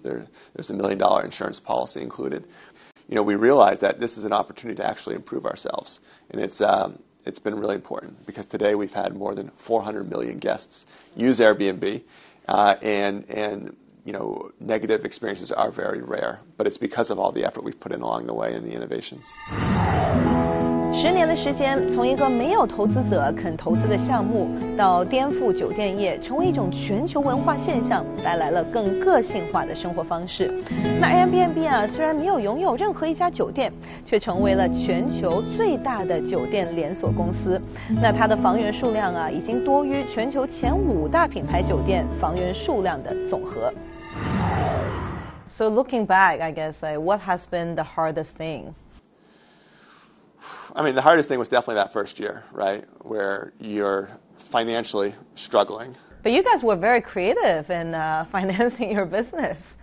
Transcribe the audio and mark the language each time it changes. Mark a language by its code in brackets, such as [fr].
[en] There's $1 million insurance policy included. You know, we realized that this is an opportunity to actually improve ourselves. And it's been really important because today we've had more than 400 million guests use Airbnb. And you know, negative experiences are very rare, but it's because of all the effort we've put in along the way and the innovations. [zh] 10年的时间，从一个没有投资者肯投资的项目，到颠覆酒店业，成为一种全球文化现象，带来了更个性化的生活方式。那 Airbnb 啊，虽然没有拥有任何一家酒店，却成为了全球最大的酒店连锁公司。那它的房源数量啊，已经多于全球前五大品牌酒店房源数量的总和。 [en] So looking back, I guess, like, what has been the hardest thing? I mean, the hardest thing was definitely that first year, right, where you're financially struggling. But you guys were very creative in financing your business.